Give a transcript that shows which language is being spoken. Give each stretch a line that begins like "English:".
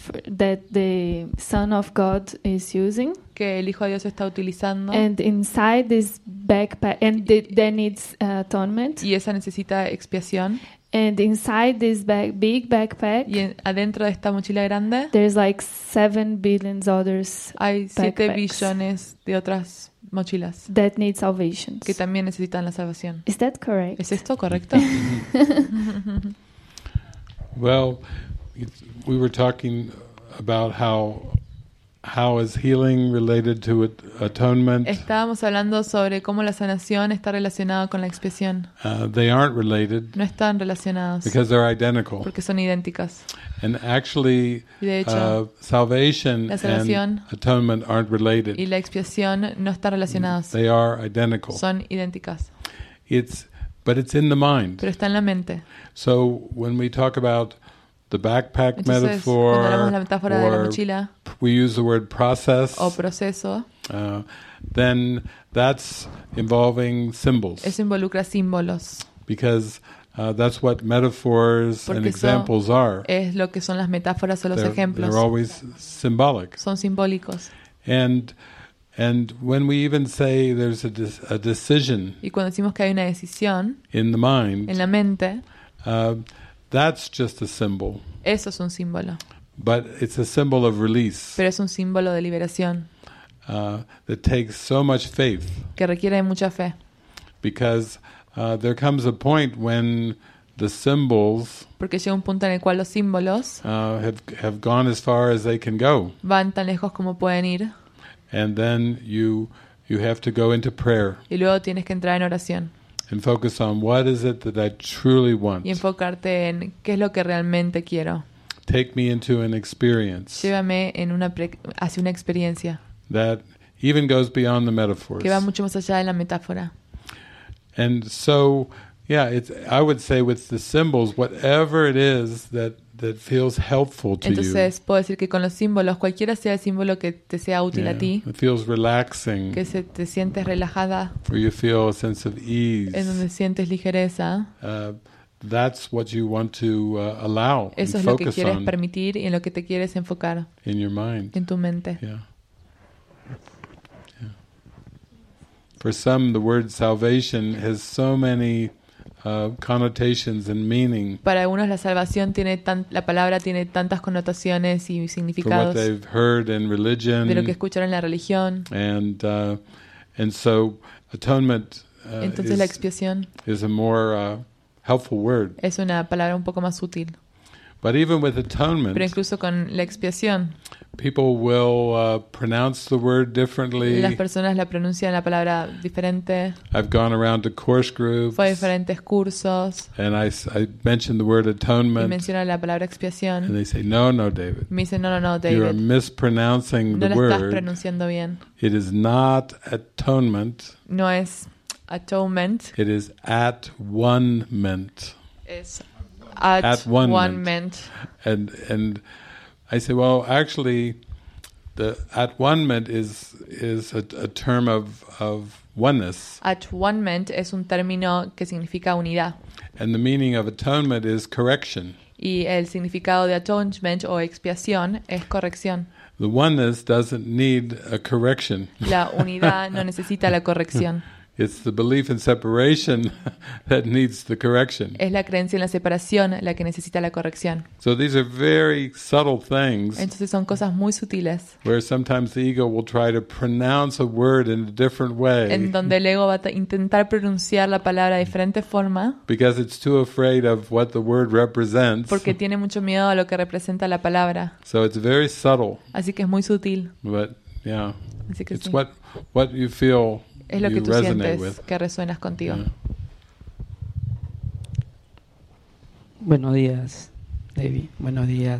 English: that the Son of God is using,
Spanish: que el Hijo de Dios está utilizando.
English: And inside this backpack, and then it's atonement.
Spanish: Y esa necesita expiación.
English: And inside this big backpack,
Spanish: y adentro de esta mochila grande,
English: there's like 7 billion others.
Spanish: Hay 7 billones de otras mochilas
English: that need salvation,
Spanish: que también necesitan la salvación.
English: Is that correct?
Spanish: ¿Es esto correcto?
English: Well, we were talking about how is healing related to atonement.
Spanish: Estábamos hablando sobre cómo la sanación está relacionada con la expiación.
English: They aren't related.
Spanish: No están relacionados.
English: Because they're identical.
Spanish: Porque son idénticas.
English: And actually,
Spanish: de hecho,
English: salvation
Spanish: la sanación
English: and atonement aren't related.
Spanish: Y la expiación no están relacionados.
English: They are identical.
Spanish: Son idénticas.
English: But it's in the mind.
Spanish: Pero está en la mente.
English: So when we talk about the backpack
Spanish: entonces,
English: metaphor,
Spanish: la metáfora de la mochila,
English: we use the word process,
Spanish: o proceso,
English: then that's involving symbols.
Spanish: Eso involucra símbolos.
English: Because that's what metaphors
Spanish: porque
English: and examples are.
Spanish: Es lo que son las metáforas o los
English: they're,
Spanish: ejemplos.
English: They're always symbolic.
Spanish: Son simbólicos.
English: And when we even say there's a decision,
Spanish: y cuando decimos que hay una decisión,
English: in the mind,
Spanish: en la mente,
English: that's just a symbol.
Spanish: Eso es un símbolo.
English: But it's a symbol of release.
Spanish: Pero es un símbolo de liberación.
English: That takes so much faith.
Spanish: Que requiere de mucha fe.
English: Because there comes a point when the symbols,
Spanish: porque llega un punto en el cual los símbolos,
English: have gone as far as they can go.
Spanish: Van tan lejos como pueden ir.
English: And then you have to go into prayer.
Spanish: Y luego tienes que entrar en oración.
English: And focus on what is it that I truly want.
Spanish: Y enfocarte en qué es lo que realmente quiero.
English: Take me into an experience.
Spanish: Llévame en una hacia una experiencia.
English: That even goes beyond the metaphors.
Spanish: Que va mucho más allá de la metáfora.
English: And so, yeah, it's, I would say with the symbols, whatever it is that feels helpful to
Spanish: entonces,
English: you.
Spanish: Entonces puedo decir que con los símbolos, cualquiera sea el símbolo que te sea útil
English: yeah,
Spanish: a ti.
English: It feels relaxing.
Spanish: Que se te sientes relajada.
English: Or you feel a sense of ease.
Spanish: En donde sientes ligereza.
English: That's what you want to allow and focus on.
Spanish: Eso es lo que quieres permitir y en lo que te quieres enfocar.
English: In your mind.
Spanish: En tu mente.
English: Yeah. For some, the word salvation has so many connotations and meaning.
Spanish: Para algunos la salvación tiene la palabra tiene tantas connotaciones y significados.
English: For what they've heard in religion.
Spanish: De lo que escucharon en la religión.
English: And so atonement.
Spanish: Entonces la expiación.
English: Is a more helpful word.
Spanish: Es una palabra un poco más útil.
English: But even with atonement.
Spanish: Pero incluso con la expiación.
English: People will pronounce the word differently.
Spanish: Las personas la pronuncian la palabra diferente.
English: I've gone around to course groups.
Spanish: Fui a diferentes cursos.
English: And I mentioned the word atonement.
Spanish: Y menciono la palabra expiación.
English: And they say, no, no, David.
Spanish: Me dicen, no, David.
English: You are mispronouncing
Spanish: no
English: the word.
Spanish: No lo estás pronunciando bien.
English: It is not atonement.
Spanish: No es atonement.
English: It is at-one-ment.
Spanish: Es at-one-ment.
English: And I say, well, actually, the at-one-ment is a term of oneness.
Spanish: At-one-ment es un término que significa unidad.
English: And the meaning of atonement is correction.
Spanish: Y el significado de atonement o expiación es corrección.
English: The oneness doesn't need a correction.
Spanish: La unidad no necesita la corrección.
English: It's the belief in separation that needs the correction.
Spanish: Es la creencia en la separación la que necesita la corrección.
English: So these are very subtle things.
Spanish: Entonces son cosas muy sutiles.
English: Where sometimes the ego will try to pronounce a word in a different way.
Spanish: En donde el ego va a intentar pronunciar la palabra de diferente forma.
English: Because it's too afraid of what the word represents.
Spanish: Porque tiene mucho miedo a lo que representa la palabra.
English: So it's very subtle.
Spanish: Así que es muy sutil.
English: But yeah.
Spanish: Así que
English: it's
Spanish: sí.
English: what you feel.
Spanish: Es lo
English: you
Spanish: que tú sientes
English: with.
Spanish: Que resuenas contigo.
English: Yeah.
Spanish: Buenos días, David. Buenos días,